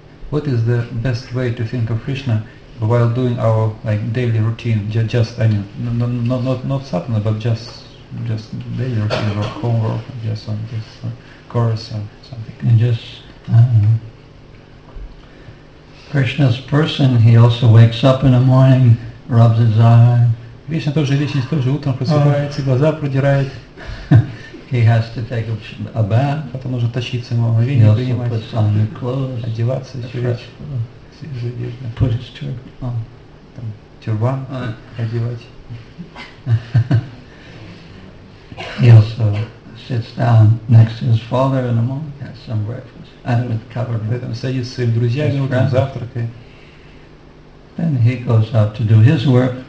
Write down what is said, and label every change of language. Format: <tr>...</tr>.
<en>What is the best way to think of Krishna while doing our like daily routine, just daily routine or homework, just on this course or something? And just, Krishna's person, he also wakes up in the morning, rubs his eye.</en> <ru>Krishna тоже вечно, тоже утром просыпается, глаза протирает.</ru> <en>He has to take a bath.</en> <ru>Потом нужно тащиться в омовение, принимать.</ru> <en>He also puts on new clothes.</en> <ru>Одеваться, все вечно.</ru> <en>Put his turban.</en> <ru>Там, тюрбан одевать.</ru> <en>He also sits down next to his father in the morning, has some breakfast. And with covered with him.</en> <ru>Садится с своими друзьями, утром завтракает.</ru> <en>Then he goes out to do his work.</en>